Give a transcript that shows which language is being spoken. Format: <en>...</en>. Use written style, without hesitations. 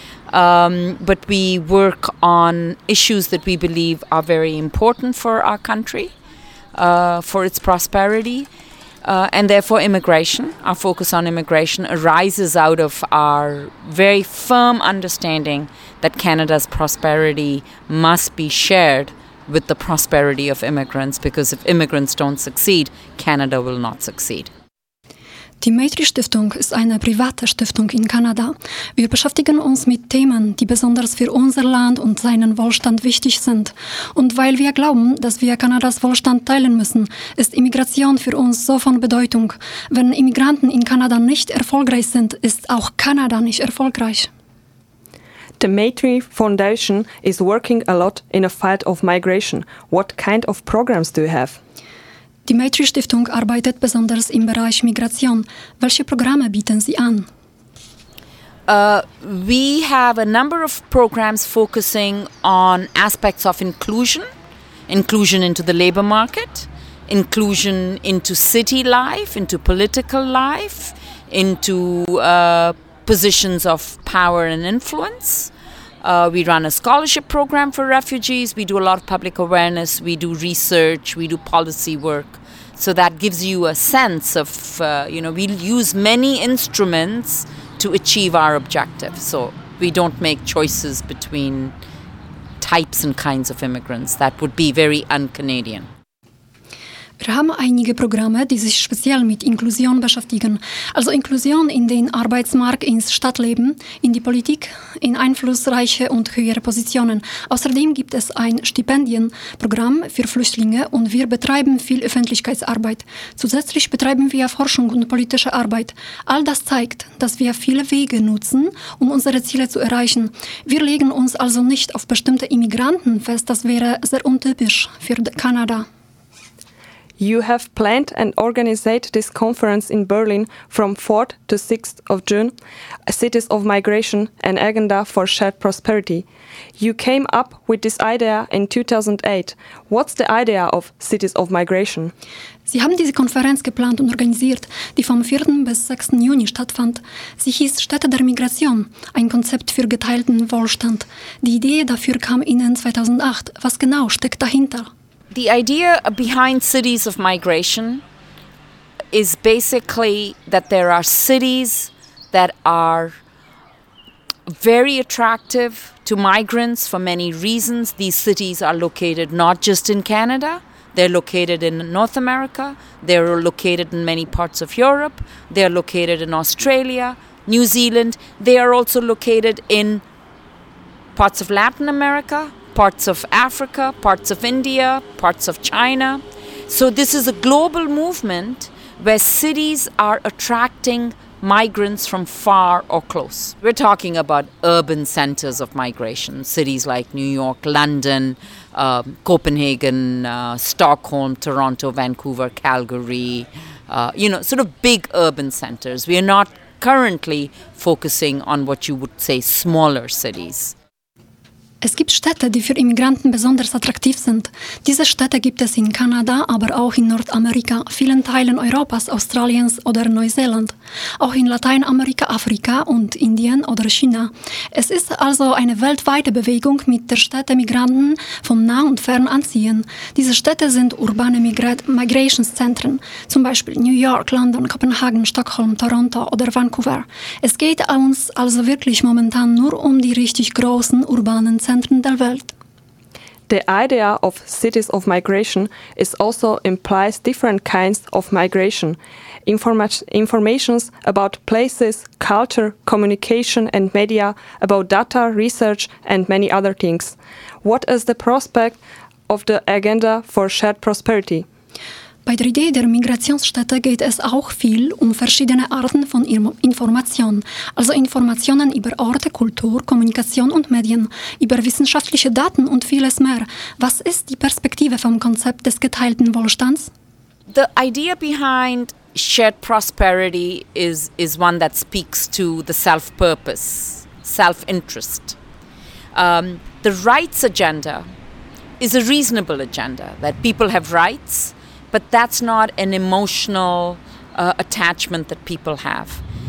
<en>But we work on issues that we believe are very important for our country, for its prosperity, and therefore immigration. Our focus on immigration arises out of our very firm understanding that Canada's prosperity must be shared with the prosperity of immigrants, because if immigrants don't succeed, Canada will not succeed.</en> <de>Die Maitri-Stiftung ist eine private Stiftung in Kanada. Wir beschäftigen uns mit Themen, die besonders für unser Land und seinen Wohlstand wichtig sind. Und weil wir glauben, dass wir Kanadas Wohlstand teilen müssen, ist Immigration für uns so von Bedeutung. Wenn Immigranten in Kanada nicht erfolgreich sind, ist auch Kanada nicht erfolgreich.</de> <en>The Maitri Foundation is working a lot in the fight of migration. What kind of programs do you have?</en> <de>Die Maitri Stiftung arbeitet besonders im Bereich Migration. Welche Programme bieten Sie an?</de> <en>We have a number of programs focusing on aspects of inclusion, inclusion into the labor market, inclusion into city life, into political life, into positions of power and influence. We run a scholarship program for refugees. We do a lot of public awareness. We do research. We do policy work. So that gives you a sense of, you know, we use many instruments to achieve our objective. So we don't make choices between types and kinds of immigrants. That would be very un-Canadian.</en> <de>Wir haben einige Programme, die sich speziell mit Inklusion beschäftigen. Also Inklusion in den Arbeitsmarkt, ins Stadtleben, in die Politik, in einflussreiche und höhere Positionen. Außerdem gibt es ein Stipendienprogramm für Flüchtlinge und wir betreiben viel Öffentlichkeitsarbeit. Zusätzlich betreiben wir Forschung und politische Arbeit. All das zeigt, dass wir viele Wege nutzen, um unsere Ziele zu erreichen. Wir legen uns also nicht auf bestimmte Immigranten fest. Das wäre sehr untypisch für Kanada.</de> <en>You have planned and organized this conference in Berlin from 4th to 6th of June, Cities of Migration, an Agenda for Shared Prosperity. You came up with this idea in 2008. What's the idea of Cities of Migration?</en> <de>Sie haben diese Konferenz geplant und organisiert, die vom 4. bis 6. Juni stattfand. Sie hieß Städte der Migration, ein Konzept für geteilten Wohlstand. Die Idee dafür kam Ihnen 2008. Was genau steckt dahinter?</de> <en>The idea behind Cities of Migration is basically that there are cities that are very attractive to migrants for many reasons. These cities are located not just in Canada, they're located in North America, they're located in many parts of Europe, they're located in Australia, New Zealand, they are also located in parts of Latin America, parts of Africa, parts of India, parts of China. So this is a global movement where cities are attracting migrants from far or close. We're talking about urban centers of migration, cities like New York, London, Copenhagen, Stockholm, Toronto, Vancouver, Calgary, you know, sort of big urban centers. We are not currently focusing on what you would say smaller cities.</en> <de>Es gibt Städte, die für Immigranten besonders attraktiv sind. Diese Städte gibt es in Kanada, aber auch in Nordamerika, vielen Teilen Europas, Australiens oder Neuseeland. Auch in Lateinamerika, Afrika und Indien oder China. Es ist also eine weltweite Bewegung, mit der Städte Migranten von nah und fern anziehen. Diese Städte sind urbane Migrationszentren, zum Beispiel New York, London, Kopenhagen, Stockholm, Toronto oder Vancouver. Es geht uns also wirklich momentan nur um die richtig großen urbanen Zentren der Welt.</de> <en>The idea of cities of migration is also implies different kinds of migration. Informations about places, culture, communication and media, about data, research and many other things. What is the prospect of the agenda for shared prosperity?</en> <de>Bei der Idee der Migrationsstädte geht es auch viel um verschiedene Arten von Information, also Informationen über Orte, Kultur, Kommunikation und Medien, über wissenschaftliche Daten und vieles mehr. Was ist die Perspektive vom Konzept des geteilten Wohlstands?</de> <en>The idea behind shared prosperity is one that speaks to the self-purpose, self-interest. The rights agenda is a reasonable agenda, that people have rights, but that's not an emotional attachment that people have.</en>